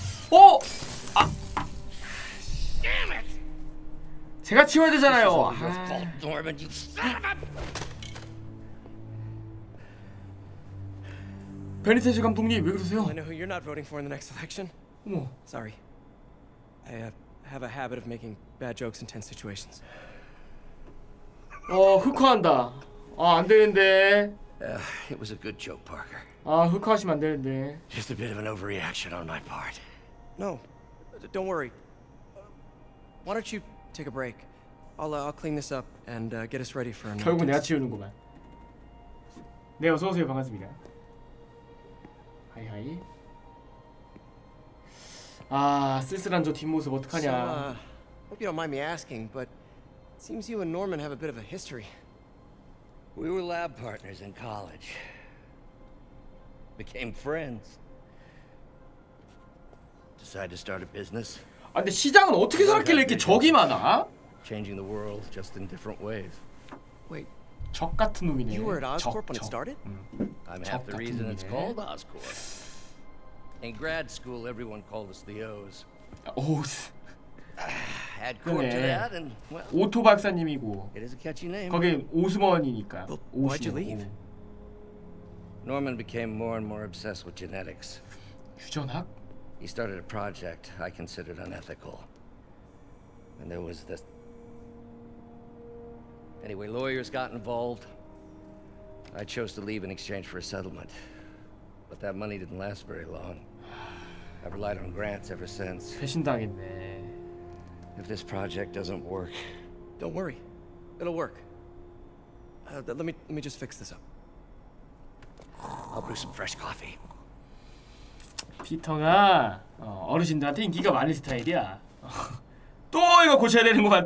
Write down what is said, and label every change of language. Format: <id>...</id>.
<en>어? 아! Damn it!</en> <ko>제가 치워야 되잖아요. 아. 베니테즈 감독님, 왜 그러세요?</ko> <en>I know who you're not voting for in the next election.</en> <ko>어머.</ko> <en>Sorry. I have a habit of making bad jokes in tense situations.</en> <ko>어, 흑화한다. 아, 안 되는데.</ko> <en>It was a good joke, Parker.</en> <ko>아, 흑화하시면 안 되는데.</ko> <en>Just a bit of an overreaction on my part. No, don't worry. Why don't you take a break? I'll clean this up and get us ready for another.</en> <ko>결국 내가 치우는구만. 네, 어서 오세요. 반갑습니다. 하이 하이. 아, 쓸쓸한 저 뒷모습 어떡하냐.</ko> <en>Hope you don't mind me asking, but it seems you and Norman have a bit of a history. We were lab partners in college. Became friends. Decided to start a business.</en> <ko>아, 근데 시장은 어떻게 살았길래 이렇게 적이 많아?</ko> <en>Changing the world just in different ways. Wait.</en> <ko>적 같은 놈이네.</ko> <en>You were at Oscorp when it started? I'm half the reason it's called Oscorp. In grad school, everyone called us the O's. O's. Add Corp to that, and well.</en> <ko>오토 박사님이고.</ko> <en>It is a catchy name.</en> <ko>거기 오스먼이니까.</ko> <en>Why'd you leave? Norman became more and more obsessed with genetics.</en> <ko>유전학?</ko> <en>He started a project I considered unethical. And there was this. Anyway, lawyers got involved. I chose to leave in exchange for a settlement. But that money didn't last very long. I've relied on grants ever since.</en> <ko>배신당했네.</ko> <en>If this project doesn't work, don't worry. It'll work. Let me just fix this up. I'll brew some fresh coffee.</en> <ko>피터가 어르신들한테 인기가 많은 스타일이야. 또 이거 고쳐야 되는구만.</ko>